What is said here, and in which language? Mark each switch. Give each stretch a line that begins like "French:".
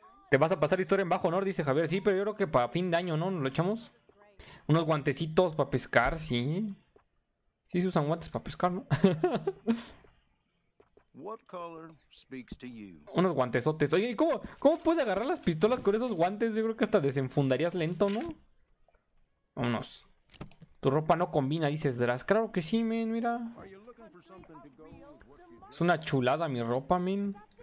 Spanish: Te vas a pasar historia en bajo honor, dice Javier. Sí, pero yo creo que para fin de año, ¿no? ¿Lo echamos? Unos guantecitos para pescar, sí. Sí se usan guantes para pescar, ¿no?
English: What color speaks to you?
Spanish: Unos guantesotes. Oye, ¿y cómo puedes agarrar las pistolas con esos guantes? Yo creo que hasta desenfundarías lento, ¿no? Vámonos. Tu ropa no combina, dices Dras. Claro que sí, men, mira. Es una chulada mi ropa, men.